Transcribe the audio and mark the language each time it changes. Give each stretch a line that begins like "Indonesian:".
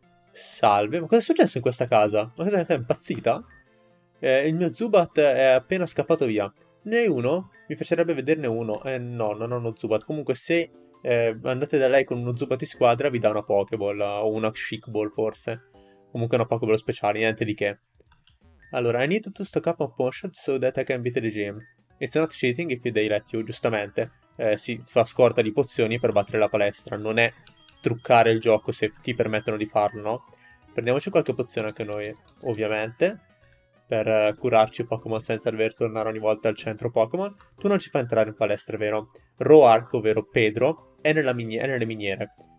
Italian: Salve, ma cosa è successo in questa casa? Ma cosa è, impazzita? Il mio Zubat è appena scappato via. Ne hai uno? Mi piacerebbe vederne uno. No, non ho uno Zubat. Comunque se andate da lei con uno Zubat di squadra vi dà una Pokéball o una Chic Ball forse. Comunque una Pokéball speciale, niente di che. Allora,
English: I need to stock up on potions so that I can beat the gym. It's not cheating if they let you,
Italian: giustamente. Si fa scorta di pozioni per battere la palestra, non è truccare il gioco se ti permettono di farlo, no? Prendiamoci qualche pozione anche noi, ovviamente, per curarci Pokémon senza dover tornare ogni volta al centro Pokémon. Tu non ci fai entrare in palestra, vero? Roark, ovvero Pedro, è nelle miniere.